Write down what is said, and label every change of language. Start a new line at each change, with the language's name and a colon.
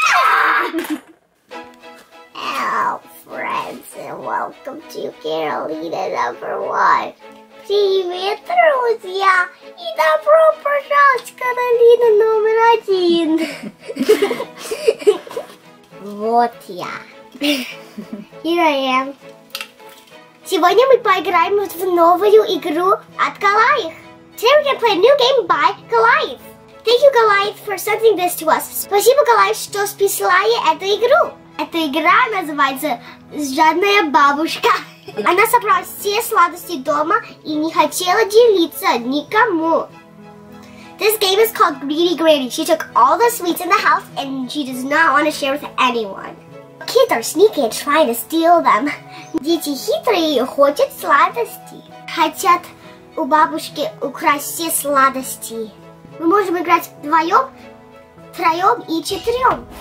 English: Hello, friends, and welcome to Karolina number one.
Russian: Привет, друзья! И добро пожаловать, Каролина номер один! Вот я.
English: Here I am.
Russian: Сегодня мы поиграем в новую игру от Goliath.
English: Today we're gonna play a new game by Goliath. Thank you, Goliath, for sending this to us.
Russian: Спасибо, Goliath, что списали эту игру. Эта игра называется «Жадная бабушка». Она собрала все сладости дома и не хотела делиться никому.
English: This game is called Greedy Granny. She took all the sweets in the house and she does not want to share with anyone. Kids are sneaky and trying to steal them.
Russian: Дети хитрые и хотят сладости. Хотят у бабушки украсть все сладости. Мы можем играть вдвоем, втроем и четырем.